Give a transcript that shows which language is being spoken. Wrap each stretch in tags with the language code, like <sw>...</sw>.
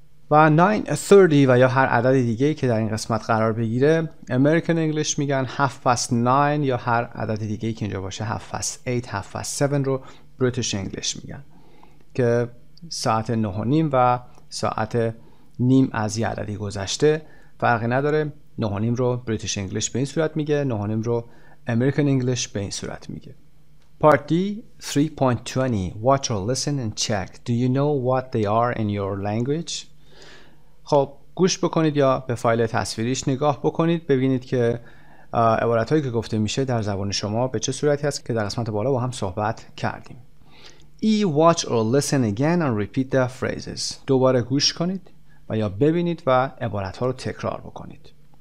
<fa>و 9:30 و یا هر عدد دیگه که در این قسمت قرار بگیره امریکن انگلیش میگن 9:30 یا هر عدد دیگه که اینجا باشه 7:08 7:07 رو بریتش انگلیش میگن که ساعت 9:30 و ساعت نیم از یه عددی گذشته فرقی نداره. 9:30 رو بریتش انگلیش به این صورت میگه. 9:30 رو امریکن انگلیش به این صورت میگه.</fa> <en>Part D, 3.20. Watch or listen and check. Do you know what they are in your language?</en> <fa>خب گوش بکنید یا به فایل تصویریش نگاه بکنید ببینید که عبارتهایی که گفته میشه در زبان شما به چه صورتی هست که در قسمت بالا با هم صحبت کردیم.</fa> <en>E, watch or listen again and repeat the phrases.</en> <fa>دوباره گوش کنید و یا ببینید و عبارتها رو تکرار بکنید.</fa>